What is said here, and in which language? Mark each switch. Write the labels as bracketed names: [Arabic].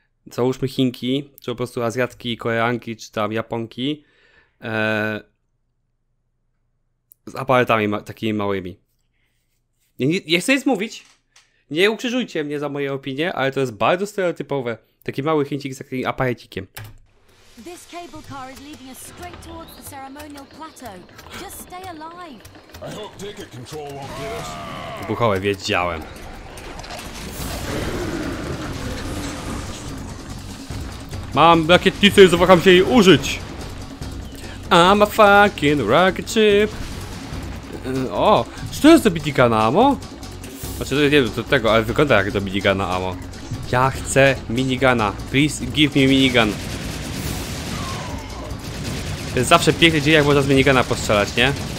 [Polish] Załóżmy Chinki, czy po prostu Azjatki, Koreanki, czy tam Japonki. Z aparatami takimi małymi. Nie chcę nic mówić! Nie ukrzyżujcie mnie za moje opinie, ale to jest bardzo stereotypowe. Taki mały chińczyk z takim aparatikiem. [English] This cable car is leading us straight towards the ceremonial plateau. Just stay alive. I hope ticket control won't get us. [Polish] Wybuchowe, wiedziałem. Mam rakietnicę i zawaham się jej użyć. [English] I'm a fucking rocket ship. [Polish] O, czy to jest do Bidigana Amo? Znaczy, to nie wiem, to tego, ale wygląda jak do Bidigana Amo. Ja chcę minigana. [English] Please give me minigun. [Polish] To jest zawsze piękny dzień, jak można z minigana postrzelać, nie?